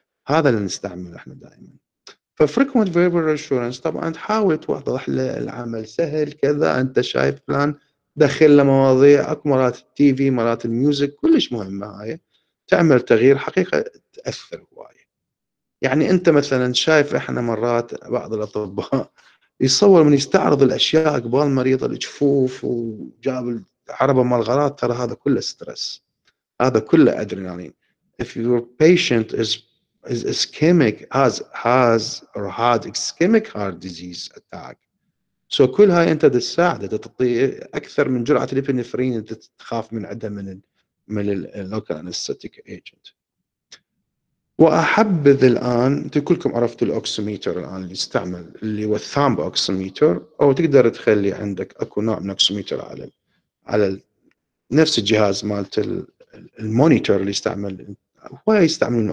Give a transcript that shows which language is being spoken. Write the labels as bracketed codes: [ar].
[ar] هذا اللي نستعمله احنا دائما. ففريكوينت فيربال ريشورنس طبعا تحاول توضح له العمل سهل كذا، انت شايف فلان دخل له مواضيع، اكو مرات التي في مرات الميوزك كلش مهمه، هاي تعمل تغيير حقيقه تاثر هواي. يعني انت مثلا شايف احنا مرات بعض الاطباء يصور من يستعرض الاشياء قبال المريض، الجفوف وجاب العربه مال الغلط، ترى هذا كله ستريس، هذا كله ادرينالين. [en] If your patient is ischemic has or had ischemic heart disease attack. [ar] So كل هاي انت تساعده تعطي اكثر من جرعه الابنفرين انت تخاف من عدم من اللوكال انستاتيك ايجنت. واحبذ الان انتم كلكم عرفتوا الاوكسيميتر الان اللي يستعمل اللي هو الثامب اوكسيميتر، او تقدر تخلي عندك اكو نوع من اوكسيميتر على نفس الجهاز مالت المونيتور اللي يستعمل هو يستعمل.